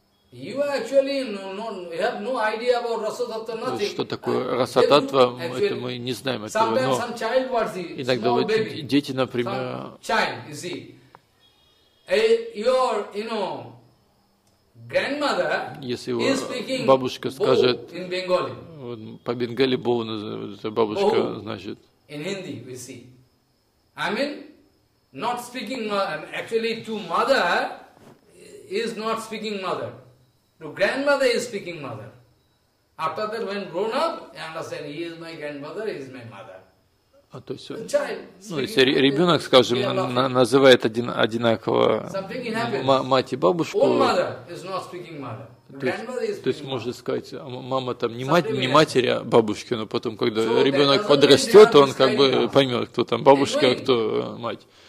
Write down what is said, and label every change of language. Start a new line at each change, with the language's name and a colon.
English: You actually have no idea about rasatattva, nothing.
Russian: Что такое rasatattva? Это мы не знаем этого. Но иногда вот дети, например, если его бабушка скажет по бенгали боу, называется бабушка, значит.
English: In Hindi, we see. I mean, not speaking actually to mother is not speaking mother. To grandmother is speaking mother. After that, when grown up, I understand he is my grandmother, he is my mother.
Russian: А то есть, ну, если ребенок, скажем, называет одинаково мать и бабушку, то есть можно сказать, мама там не матери, а бабушки, но потом, когда ребенок подрастет, он как бы поймет, кто там бабушка, а кто мать.